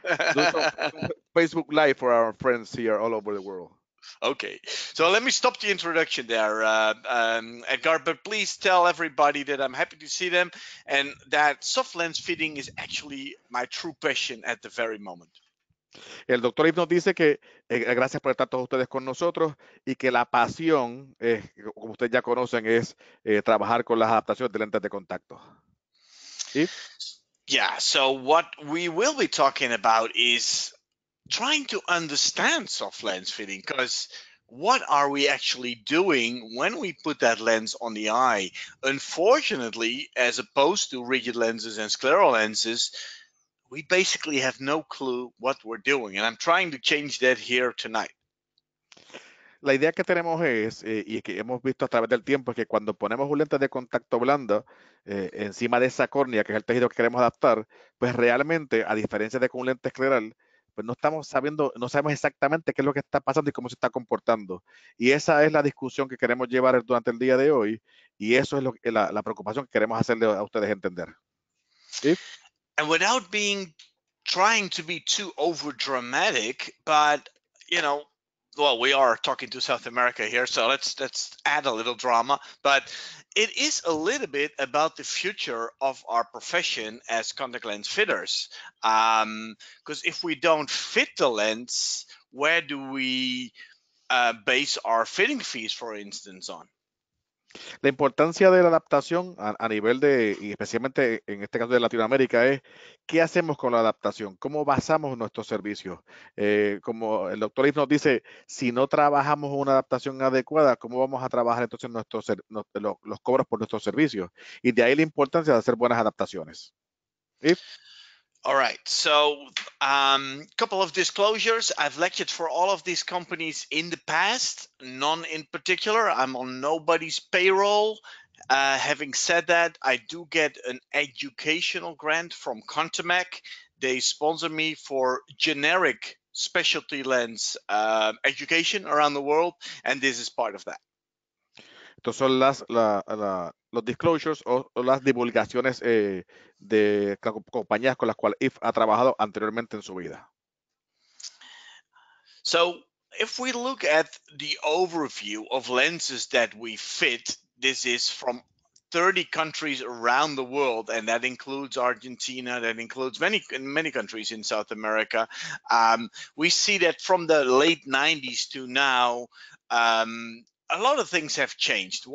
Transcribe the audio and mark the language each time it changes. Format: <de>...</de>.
<en>do some Facebook Live for our friends here all over the world. Okay, so let me stop the introduction there, Edgar, but please tell everybody that I'm happy to see them and that soft lens fitting is actually my true passion at the very moment.</en> <es>El doctor Ip nos dice que gracias por estar todos ustedes con nosotros y que la pasión, como ustedes ya conocen, es trabajar con las adaptaciones de lentes de contacto. Ip.</es> <en>Yeah, so what we will be talking about is trying to understand soft lens fitting, because what are we actually doing when we put that lens on the eye? Unfortunately, as opposed to rigid lenses and scleral lenses, we basically have no clue what we're doing, and I'm trying to change that here tonight.</en> <es>La idea que tenemos es, y que hemos visto a través del tiempo, es que cuando ponemos un lente de contacto blando encima de esa córnea, que es el tejido que queremos adaptar, pues realmente, a diferencia de con un lente escleral, pues no sabemos exactamente qué es lo que está pasando y cómo se está comportando. Y esa es la discusión que queremos llevar durante el día de hoy, y eso es la preocupación que queremos hacerle a ustedes entender. ¿Sí?</es> <en>And without being trying to be too overdramatic, but you know, well, we are talking to South America here, so let's add a little drama. But it is a little bit about the future of our profession as contact lens fitters. Because if we don't fit the lens, where do we base our fitting fees, for instance, on?</en> <es>La importancia de la adaptación a nivel de, y especialmente en este caso de Latinoamérica, es qué hacemos con la adaptación, cómo basamos nuestros servicios. Como el doctor Liz nos dice, si no trabajamos una adaptación adecuada, ¿cómo vamos a trabajar entonces los cobros por nuestros servicios? Y de ahí la importancia de hacer buenas adaptaciones. ¿Sí?</es> <en>All right, so a couple of disclosures. I've lectured for all of these companies in the past, none in particular. I'm on nobody's payroll. Having said that, I do get an educational grant from Contimac. They sponsor me for generic specialty lens education around the world, and this is part of that.</en> <es>Estos son los disclosures o las divulgaciones de compañías con las cuales Eef ha trabajado anteriormente en su vida.</es> <en>So, if we look at the overview of lenses that we fit, this is from 30 countries around the world, and that includes Argentina, that includes many countries in South America. We see that from the late 90s to now, a lot of things have changed.</en>